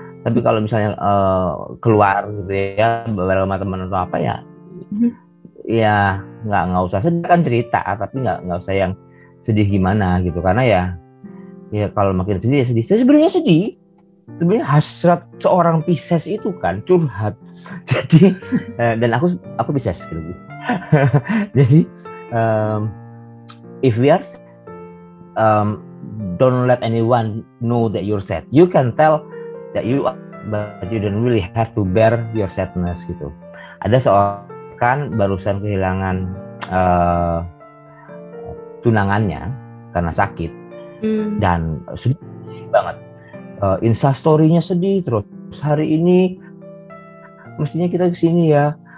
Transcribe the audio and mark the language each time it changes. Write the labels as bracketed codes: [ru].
[id] Tapi kalau misalnya keluar gitu ya, beberapa teman atau apa ya, ya nggak usah sedih kan, cerita, tapi nggak usah yang sedih gimana gitu. Karena ya kalau makin sedih ya sedih. Sebenarnya sedih, sebenarnya hasrat seorang Pisces itu kan curhat. Jadi dan aku Pisces gitu. [en] Jadi if we are sad, don't let anyone know that you're sad. You can tell that you are, but you don't really have to bear your sadness gitu. [id] Ada seorang kan barusan kehilangan tunangannya karena sakit dan sedih banget. Insta story-nya sedih terus. Hari ini mestinya kita kesini ya.